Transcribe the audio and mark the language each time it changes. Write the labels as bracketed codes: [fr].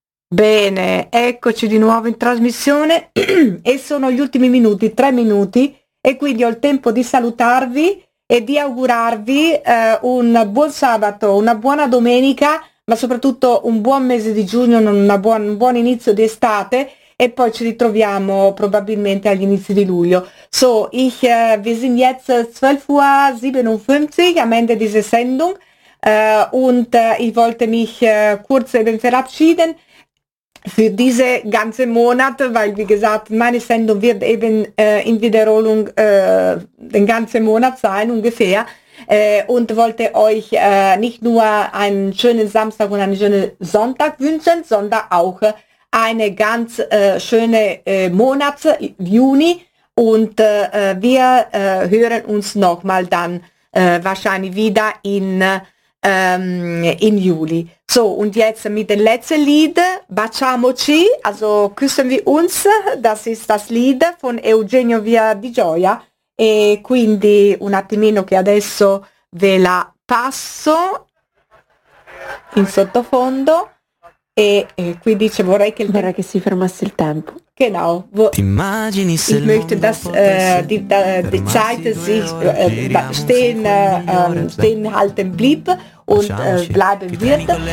[it] Bene, eccoci di nuovo in trasmissione e sono gli ultimi minuti, 3 minuti, e quindi ho il tempo di salutarvi e di augurarvi un buon sabato, una buona domenica, ma soprattutto un buon mese di giugno, un buon inizio di estate, e poi ci ritroviamo probabilmente agli inizi di luglio. [de] So, ich, wir sind jetzt 12 Uhr 57 am Ende dieser Sendung und ich wollte mich kurz eben verabschieden. Für diese ganze Monat, weil wie gesagt, meine Sendung wird eben in Wiederholung den ganzen Monat sein ungefähr und wollte euch nicht nur einen schönen Samstag und einen schönen Sonntag wünschen, sondern auch eine ganz schöne Monat, Juni, und wir hören uns nochmal dann wahrscheinlich wieder in Juli. So, und jetzt mit dem letzten Lied, Baciamoci, also küssen wir uns, das ist das Lied von Eugenio Via di Gioia, [it] e quindi un attimino che adesso ve la passo in sottofondo, e qui dice vorrei che si fermasse il tempo. [de] Genau. Ich möchte, dass die Zeit sich stehen halten blieb und bleiben wird.